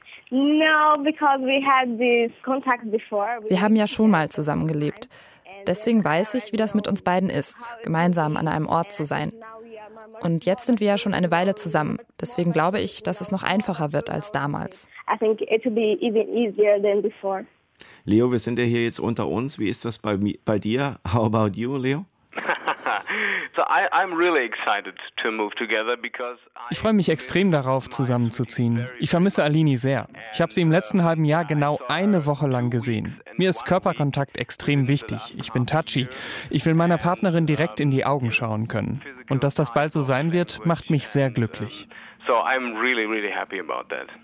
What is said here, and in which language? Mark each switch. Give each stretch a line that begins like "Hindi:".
English: No, because we had this contact before.
German: Wir haben ja schon mal zusammengelebt. Deswegen weiß ich, wie das mit uns beiden ist, gemeinsam an einem Ort zu sein. Und jetzt sind wir ja schon eine Weile zusammen. Deswegen glaube ich, dass es noch einfacher wird als damals.
English: I think it will be even easier than before.
German: Leo, wir sind ja hier jetzt unter uns. Wie ist das bei dir?
English: How about you, Leo? So I'm really excited to move together because
German: ich freue mich extrem darauf, zusammenzuziehen. Ich vermisse Alini sehr. Ich habe sie im letzten halben Jahr genau eine Woche lang gesehen. Mir ist Körperkontakt extrem wichtig. Ich bin touchy. Ich will meiner Partnerin direkt in die Augen schauen können. Und dass das bald so sein wird, macht mich sehr glücklich.
English: So I'm really, really happy about that.